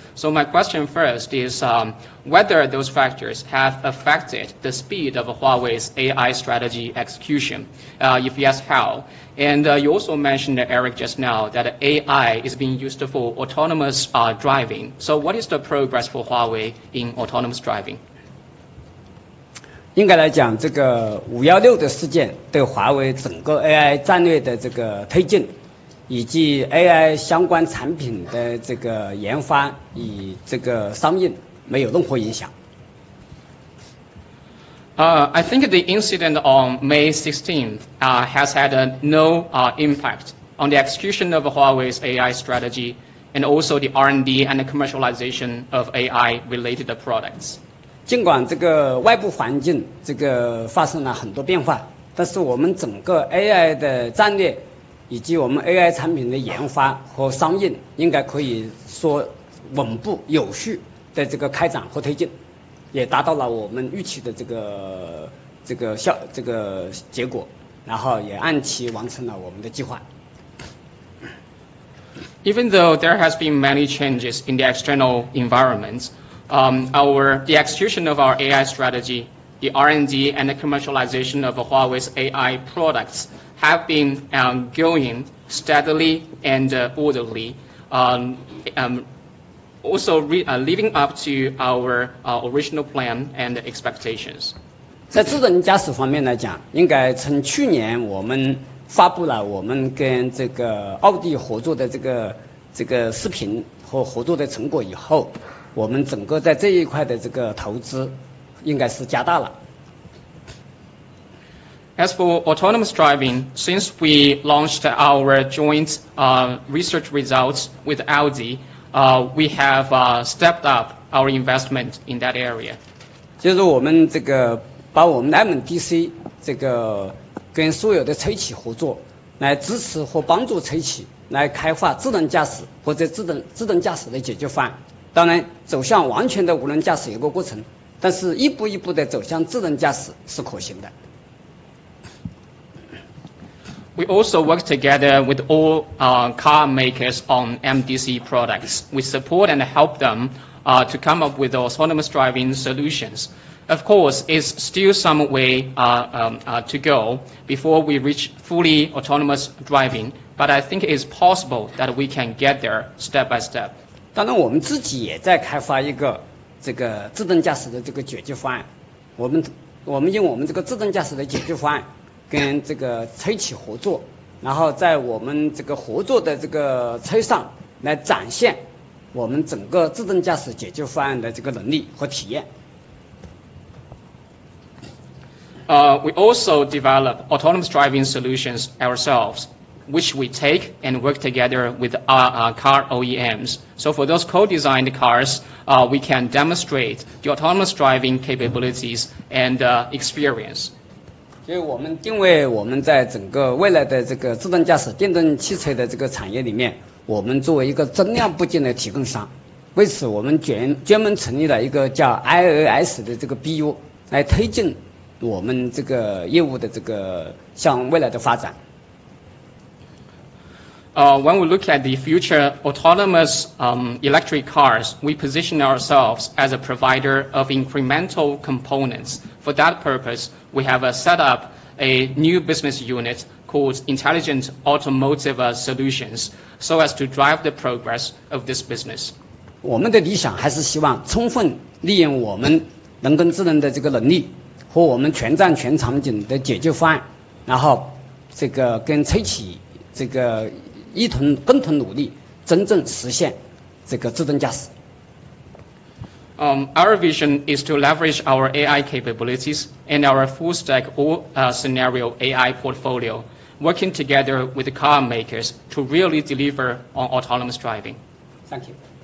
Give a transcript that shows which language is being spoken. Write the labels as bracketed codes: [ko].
[en] So my question first is whether those factors have affected the speed of Huawei's AI strategy execution. If yes, how? And you also mentioned, Eric, just now that AI is being used for autonomous driving. So what is the progress for Huawei in autonomous driving? [zh] 应该来讲，这个516的事件对华为整个 AI 战略的这个推进，以及 AI 相关产品的这个研发与这个商用，没有任何影响。 [en] I think the incident on May 16th has had no impact on the execution of Huawei's AI strategy and also the R&D and the commercialization of AI related products. [zh] 尽管这个外部环境这个发生了很多变化，但是我们整个 AI 的战略以及我们 AI 产品的研发和商用，应该可以说稳步有序的这个开展和推进，也达到了我们预期的这个结果，然后也按期完成了我们的计划。 [en] Even though there has been many changes in the external environment,the execution of our AI strategy, the R&D and the commercialization of Huawei's AI products have been going steadily and orderly, also living up to our original plan and expectations. [zh] 在自动驾驶方面来讲，应该从去年我们发布了我们跟这个奥迪合作的这个视频和合作的成果以后，我们整个在这一块的这个投资应该是加大了。 [en] As for autonomous driving, since we launched our joint research results with Audi, we have stepped up our investment in that area. [zh] 就是我们这个把我们 MDC 这个跟所有的车企合作，来支持或帮助车企来开发智能驾驶或者自动驾驶的解决方案。当然走向完全的无人驾驶有个过程，但是一步一步的走向智能驾驶是可行的。 [en] We also work together with all car makers on MDC products. We support and help them to come up with autonomous driving solutions. Of course, it's still some way to go before we reach fully autonomous driving, but I think it's possible that we can get there step by step. [zh] 当然我们自己也在开发一个这个自动驾驶的这个解决方案，我们用我们这个自动驾驶的解决方案跟这个车企合作，然后在我们这个合作的这个车上来展现我们整个自动驾驶解决方案的这个能力和体验。 [en] We also develop autonomous driving solutions ourselves. Which we take and work together with our car OEMs. So for those co-designed cars, we can demonstrate the autonomous driving capabilities and experience. [zh] 所以我们定位我们在整个未来的这个自动驾驶电动汽车的这个产业里面，我们作为一个增量部件的提供商。为此，我们专门成立了一个叫 IOS 的这个 BU 来推进我们这个业务的这个向未来的发展。 [en] When we look at the future autonomous electric cars, we position ourselves as a provider of incremental components. For that purpose, we have set up a new business unit called Intelligent Automotive Solutions so as to drive the progress of this business. [zh] 我们的理想还是希望充分利用我们人工智能的这个能力和我们全站全场景的解决方案，然后这个跟车企这个一同共同努力，真正实现这个自动驾驶。 [en] Our vision is to leverage our AI capabilities and our full-stack all-scenario AI portfolio, working together with car makers to really deliver on autonomous driving. Thank you.